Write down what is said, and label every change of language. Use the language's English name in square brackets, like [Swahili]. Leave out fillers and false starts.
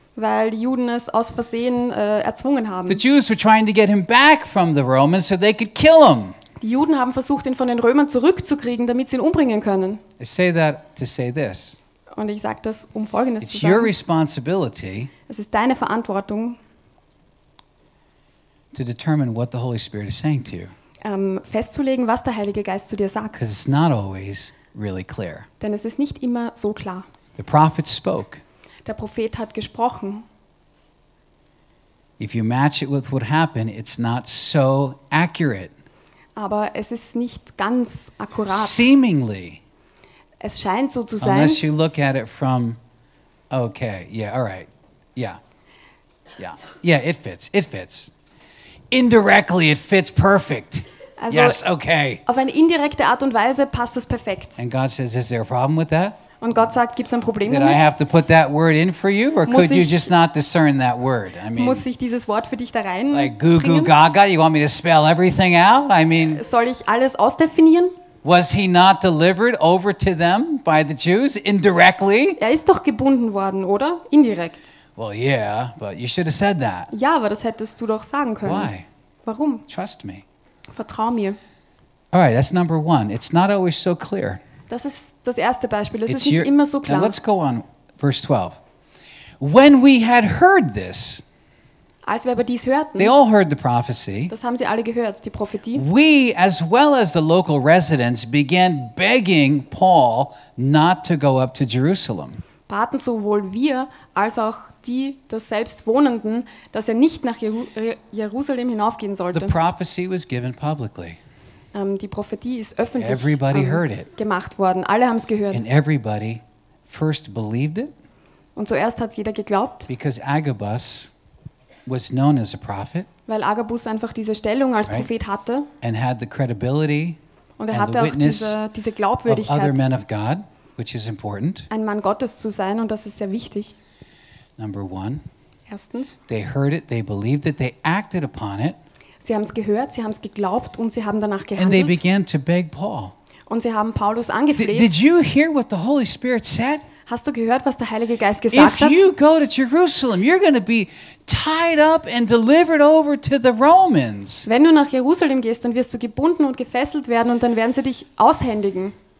[German] Weil die Juden es aus Versehen erzwungen haben. [English] The Jews were trying to get him back from the Romans so they could kill him. [German] Die Juden haben versucht, ihn von den Römern zurückzukriegen, damit sie ihn umbringen können. [English] I say that to say this. [German] Und ich sage das, um Folgendes [English] It's [German] zu sagen. [English] Your responsibility, [German] es ist deine Verantwortung, [English] to determine what the Holy Spirit is saying to you. [German] Festzulegen, was der Heilige Geist zu dir sagt. [English] Because it's not always really clear. [German] Denn es ist nicht immer so klar. [English] The prophet spoke. [German] Der Prophet hat gesprochen. [English] If you match it with what happened, it's not so accurate. [German] Aber es ist nicht ganz akkurat. [English] Seemingly. [German] Es scheint so zu [English] unless [German] sein. [English] You look at it from, okay, yeah, all right, yeah, yeah, yeah, it fits, it fits. Indirectly, it fits perfect. [German] Also [English] yes, okay. [German] Auf eine indirekte Art und Weise passt es perfekt. [English] And God says, is there a problem with that? [German] Und Gott sagt, gibt's ein Problem damit? [English] Did I have to put that word in for you, or could you just not discern that word? I [German] mean, muss ich dieses Wort für dich da rein? [English] Like goo goo gaga, you want me to spell everything out? I mean, [German] soll ich alles ausdefinieren? [English] Was he not delivered over to them by the Jews indirectly? [German] Er ist doch gebunden worden, oder? Indirekt. [English] Well, yeah, but you should have said that. [German] Ja, aber das hättest du doch sagen können. [English] Why? [German] Warum? [English] Trust me. [German] Vertrau mir. [English] All right, that's number one. It's not always so clear. [German] Das ist das erste Beispiel. Das ist nicht immer so klar. [English] Now let's go on, verse 12. When we had heard this, [German] als wir aber dies hörten, [English] they all heard the prophecy. [German] Das haben sie alle gehört, die Prophetie. [English] We, as well as the local residents, began begging Paul not to go up to Jerusalem. [German] Baten sowohl wir als auch die des Selbstwohnenden, dass er nicht nach Jerusalem hinaufgehen sollte. [English] The prophecy was given publicly. [German] Die Prophetie ist öffentlich gemacht worden. Alle haben es gehört. [English] And everybody first believed it. [German] Und zuerst hat es jeder geglaubt. [English] Because Agabus was known as a prophet. [German] Weil Agabus einfach diese Stellung als Prophet hatte. [English] And had the credibility [German] und er hatte [English] and the witness [German] auch diese Glaubwürdigkeit. [English] Of other men of God. Which is important. [German] Ein Mann Gottes zu sein, und das ist sehr wichtig. [English] Number one. [German] Erstens. [English] They heard it, they believed it, they acted upon it. [German] Sie haben es gehört, sie haben es geglaubt und sie haben danach gehandelt. [English] And they began to beg Paul. [German] Und sie haben Paulus angefleht. [English] Did you hear what the Holy Spirit said? [German] Hast du gehört, was der Heilige Geist gesagt hat? [English] If you go to Jerusalem, you're going to be tied up and delivered over to the Romans. [German] Wenn du nach Jerusalem gehst, dann wirst du gebunden und gefesselt werden und dann werden sie dich aushändigen.